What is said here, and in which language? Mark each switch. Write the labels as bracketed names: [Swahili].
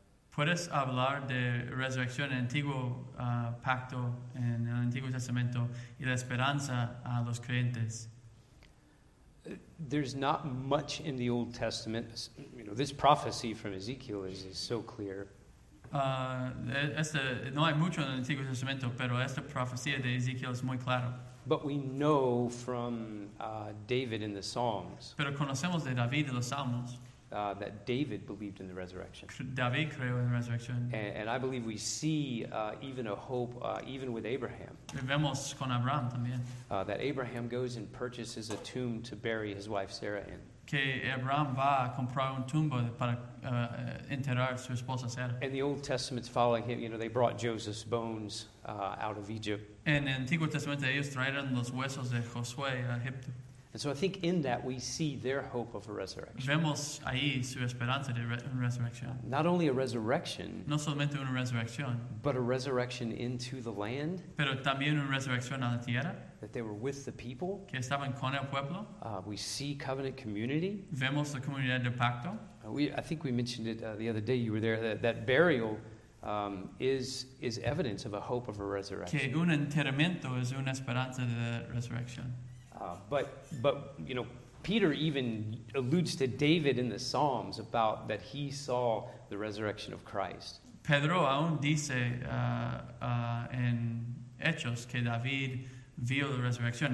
[Spanish] ¿Puedes hablar de resurrección en el antiguo pacto, en el Antiguo Testamento, y la esperanza a los creyentes? [English] There's not much in the Old Testament. You know, this prophecy from Ezekiel is so clear. [Spanish] No hay mucho en el Antiguo Testamento, pero esta profecía de Ezequiel es muy clara. [English] But we know from David in the Psalms. [Spanish] Pero conocemos de David en los Salmos. [English] That David believed in the resurrection. [Spanish] David creyó en la resurrección. [English] And I believe we see even a hope even with Abraham. [Spanish] Y vemos con Abraham también. [English] That Abraham goes and purchases a tomb to bury his wife Sarah in. [Spanish] Que Abraham va a comprar un tumba para enterrar su esposa Sarah. [English] And the Old Testament's following him. You know, they brought Joseph's bones out of Egypt. [Spanish] En el Antiguo Testamento ellos trajeron los huesos de Josué a Egipto. [English] And so I think in that we see their hope of a resurrection. [Spanish] Vemos ahí su esperanza de resurrección. [English] Not only a resurrection. [Spanish] No solamente una resurrección. [English] But a resurrection into the land. [Spanish] Pero también una resurrección a la tierra. [English] That they were with the people. [Spanish] Que estaban con el pueblo. [English] We see covenant community. [Spanish] Vemos la comunidad de pacto. [English] I think we mentioned it the other day you were there. That burial is evidence of a hope of a resurrection. [Spanish] Que un enterramiento es una esperanza de resurrección. [English] But you know, Peter even alludes to David in the Psalms about that he saw the resurrection of Christ. [Spanish] Pedro aún dice en Hechos que David vio la resurrección.